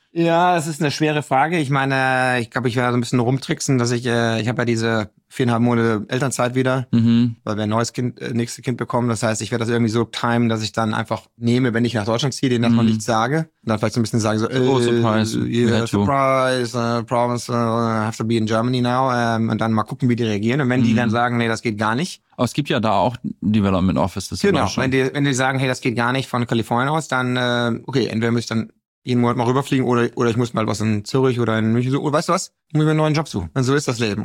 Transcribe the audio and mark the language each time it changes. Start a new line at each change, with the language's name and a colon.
German: Ja, das ist eine schwere Frage. Ich meine, ich glaube, ich werde so ein bisschen rumtricksen, dass ich habe ja diese 4,5 Monate Elternzeit wieder, weil wir ein neues Kind, nächstes Kind bekommen. Das heißt, ich werde das irgendwie so timen, dass ich dann einfach nehme, wenn ich nach Deutschland ziehe, denen das noch nicht sage. Und dann vielleicht so ein bisschen sagen so,
English: surprise, have to be in Germany now.
German: Und dann mal gucken, wie die reagieren. Und wenn die dann sagen, nee, das geht gar nicht. Aber es gibt ja da auch Development Offices. Genau, wenn die sagen, hey, das geht gar nicht von Kalifornien aus, dann, okay, entweder müsste ich dann jeden Monat mal rüberfliegen oder ich muss mal was in Zürich oder in München suchen. Weißt du was? Ich muss mir einen neuen Job suchen. Und so ist das Leben.